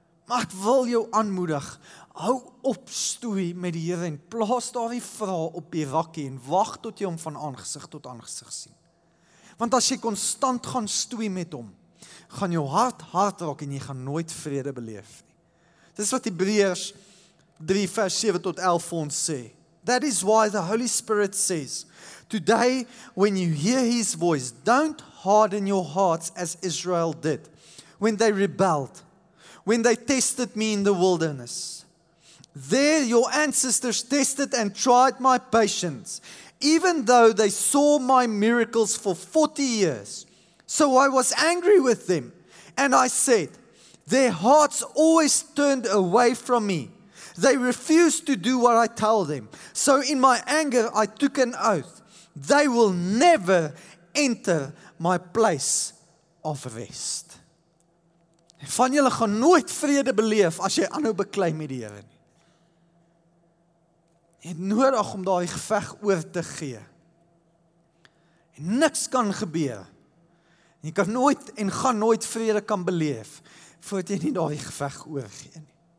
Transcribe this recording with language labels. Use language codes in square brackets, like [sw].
[af] Maar ek wil jou aanmoedig, hou op stoei met die Here en plaas daardie vrae op die rakkie en wag tot jy hom van aangesig tot aangesig sien. Want as jy konstant gaan stoei met hom, gaan jou hart hard raak en jy gaan nooit vrede beleef nie. Dis wat Hebreërs 3 vers 7 tot 11 vir ons sê. [en] That is why the Holy Spirit says, today when you hear his voice, don't harden your hearts as Israel did when they rebelled. When they tested me in the wilderness. There your ancestors tested and tried my patience, even though they saw my miracles for 40 years. So I was angry with them, and I said, Their hearts always turned away from me. They refused to do what I tell them. So in my anger, I took an oath. They will never enter my place of rest. [af] Van julle gaan nooit vrede beleef as jy aanhou beklei met die Here nie. Jy het nodig om daai geveg oor te gee. En niks kan gebeur. En jy kan nooit en gaan nooit vrede kan beleef voordat jy nie daai geveg oorgee nie.